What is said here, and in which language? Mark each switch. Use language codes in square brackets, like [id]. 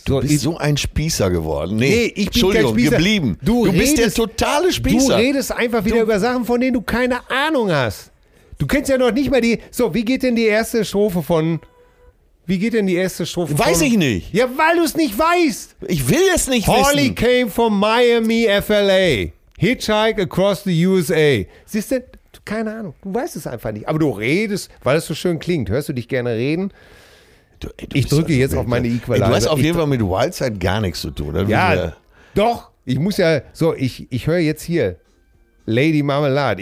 [de] Du bist so ein Spießer geworden. Nee, nee, ich bin kein Spießer. Geblieben. Du bist der totale Spießer. Du redest einfach wieder über Sachen, von denen du keine Ahnung hast. Du kennst ja noch nicht mal die. So, wie geht denn die erste Strophe von? Wie geht denn die erste Strophe? Weiß ich nicht. Ja, weil du es nicht weißt. Ich will es nicht Holly wissen. [en] Holly came from Miami, FLA. Hitchhike across the USA. [de] Siehst du, keine Ahnung. Du weißt es einfach nicht. Aber du redest, weil es so schön klingt. Hörst du dich gerne reden? Ich drücke jetzt auf meine Equalizer. Du hast auf jeden Fall mit Wildside gar nichts zu tun. Oder? Ja, doch. Ich muss ja, so, ich höre jetzt hier Lady Marmelade.